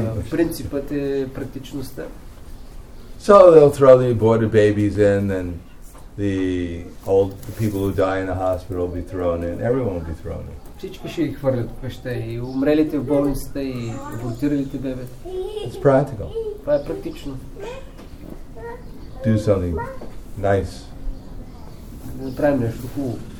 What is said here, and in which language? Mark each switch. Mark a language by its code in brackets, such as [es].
[bg] Принципът е практичността. [en] So they'll throw the aborted babies in, and the old the people who die in the hospital will be thrown in. Everyone will be thrown in. [bg] Всички ще ги хвърлят в къща, и умрелите в болницата, и абортиралите бебета. [en] It's practical. [bg] Това е практично. [en] Do something nice. [bg] Да направим нещо хубаво.